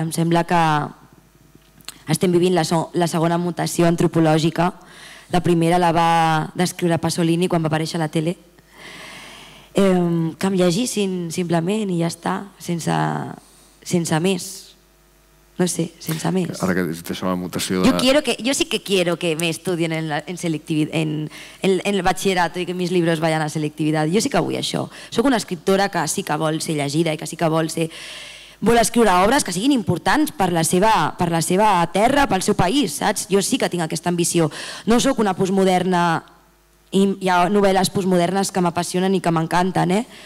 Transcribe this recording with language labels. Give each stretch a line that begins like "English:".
Catalan: Em sembla que estem vivint la segona mutació antropològica. La primera la va descriure Pasolini quan va aparèixer a la tele. Que em llegissin simplement i ja està, sense més. No sé, sense més. Ara que dius la mutació de... Jo sí que
Spanish: quiero que me estudien en el batxillerat i que mis libros vayan a selectividad.
Catalan: Jo sí que vull això. Soc una escriptora que sí que vol ser llegida i que sí que vol escriure obres que siguin importants per la seva terra, pel seu país, saps? Jo sí que tinc aquesta ambició. No sóc una postmoderna, i hi ha novel·les postmodernes que m'apassionen i que m'encanten, eh?